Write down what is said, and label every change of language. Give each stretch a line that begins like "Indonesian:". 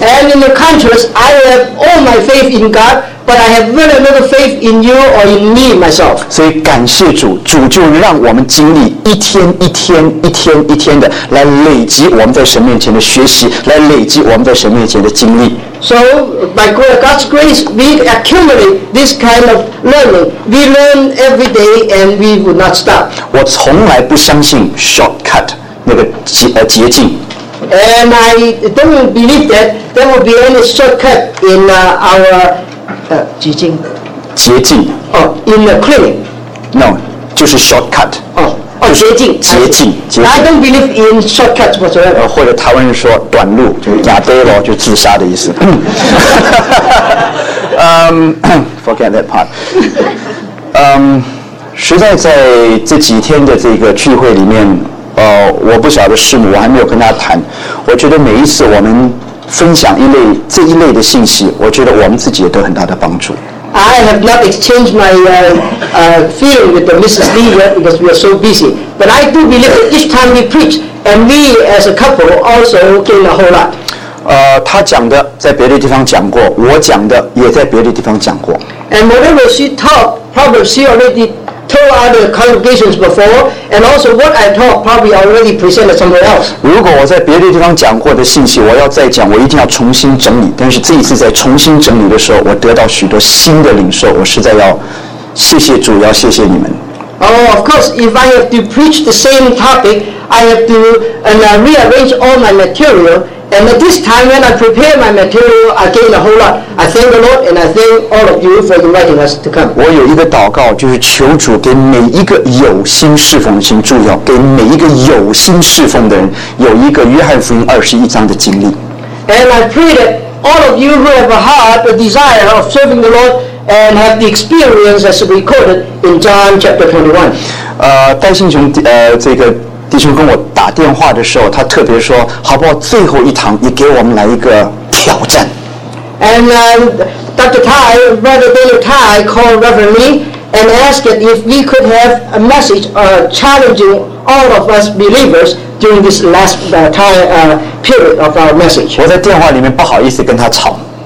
English: And in the contrast, I have all my faith in God, but I have very little faith in you or in me myself.
Chinese: 所以感谢主，主就让我们经历一天一天、一天一天的来累积我们在神面前的学习，来累积我们在神面前的经历。
English: So by God's grace, we accumulate this kind of learning. We learn every day, and we will not stop.
Chinese: 我从来不相信 shortcut 那个捷径。
English: And I don't believe that there will be any shortcut in our
Chinese: 捷径。捷径。
English: Oh, in the clinic. No,
Chinese: 就是
English: shortcut.
Chinese: Oh, 捷径。捷径。
English: I don't believe in shortcuts whatsoever.
Chinese: 或者台湾人说短路，就亚呆咯，就自杀的意思。
English: forget that part.
Chinese: 实在这几天的这个聚会里面，我不晓得师母，我还没有跟他谈。我觉得每一次我们分享一类这一类的信息，我觉得我们自己也得很大的帮助。
English: I have not exchanged my feeling with the Mrs. Lee yet because we are so busy. But I do believe that each time we preach, and we as a couple also gain a whole lot.
Chinese: 他讲的在别的地方讲过，我讲的也在别的地方讲过。
English: And whatever she taught, probably she already told other congregations before, and also what I taught probably already presented somewhere else.
Chinese: 如果我在别的地方讲过的信息，我要再讲，我一定要重新整理。但是这一次在重新整理的时候，我得到许多新的领受，我实在要谢谢主，要谢谢你们。
English: Oh, of course, if I have to preach the same topic, I have to rearrange all my material. And at this time, when I prepare my material, I gain a whole lot. I thank the Lord, and I thank all of you for inviting us to come.
Chinese: 我有一个祷告，就是求主给每一个有心侍奉的人，注意哦，给每一个有心侍奉的人有一个约翰福音21章的经历。
English: And I pray that all of you who have a heart, a desire of serving the Lord, and have the experience as recorded in John chapter 21.
Chinese: 戴信雄，这个。弟兄跟我打电话的时候，他特别说：“好不好？最后一堂，你给我们来一个挑战。”
English: And Dr. Tai, Brother Daniel Tai, called Reverend Lee and asked if we could have a message challenging all of us believers during this last period of our message.
Chinese: 我在电话里面不好意思跟他吵。